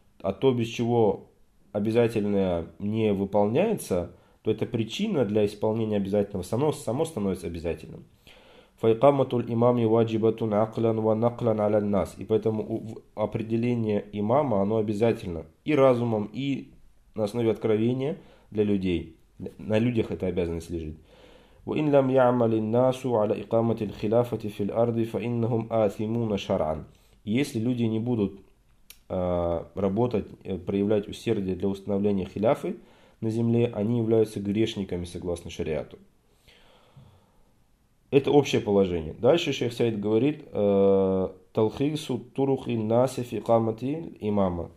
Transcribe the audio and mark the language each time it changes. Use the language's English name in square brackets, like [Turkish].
[Russian] А то, без чего обязательное не выполняется, то это причина для исполнения обязательного. Само становится обязательным. [Arabic] فَيْقَامَةُ الْإِمَامِ وَاجِبَةٌ عَقْلًا وَنَقْلًا عَلَى النَّاسِ. [Russian] И поэтому определение имама, оно обязательно и разумом, и на основе откровения для людей. На людях эта обязанность лежит. [Arabic] وإن لم يعمل الناس على إقامة الخلافة في الأرض فإنهم آثمون شرعاً. [Russian] Если люди не будут работать, проявлять усердие для установления хилафы на земле, они являются грешниками согласно шариату. Это общее положение. Дальше шейх Саид говорит [Arabic] талхису турухи наси фи икамати имама.